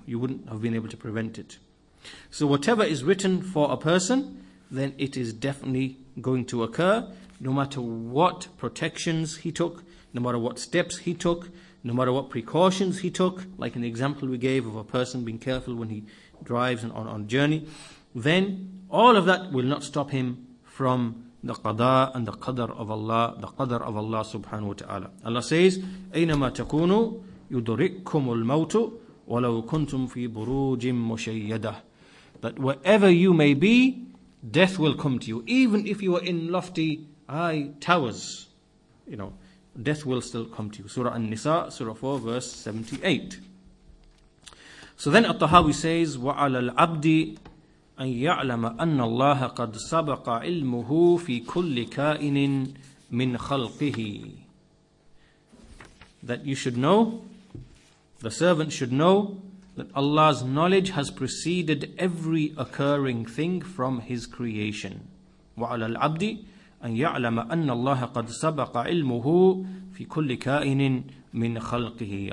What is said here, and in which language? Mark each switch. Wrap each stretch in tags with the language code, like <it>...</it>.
<en>You wouldn't have been able to prevent it. So whatever is written for a person, then it is definitely going to occur, no matter what protections he took, no matter what steps he took, no matter what precautions he took, like in the example we gave of a person being careful when he drives and on a journey, then all of that will not stop him from the qada and the qadar of Allah, the qadar of Allah subhanahu wa ta'ala. Allah says,</en> <ar>أَيْنَمَا تَكُونُوا يُدْرِكُمُ الْمَوْتُ وَلَوْ كُنْتُمْ فِي بُرُوجٍ مُشَيَّدَةٍ.</ar> <en>That wherever you may be, death will come to you. Even if you are in lofty high towers, you know, death will still come to you. Surah An-Nisa, Surah 4, verse 78. So then At-Tahawi says,</en> <ar>وَعَلَى الْعَبْدِ أَنْ يَعْلَمَ أَنَّ اللَّهَ قَدْ سَبَقَ عِلْمُهُ فِي كُلِّ كَائِنٍ مِّنْ خَلْقِهِ.</ar> <en>That you should know, the servant should know, that Allah's knowledge has preceded every occurring thing from his creation.</en> <ar>وَعَلَى الْعَبْدِ أَنْ يَعْلَمَ أَنَّ اللَّهَ قَدْ سَبَقَ عِلْمُهُ فِي كُلِّ كَائِنٍ مِّنْ خَلْقِهِ.</ar>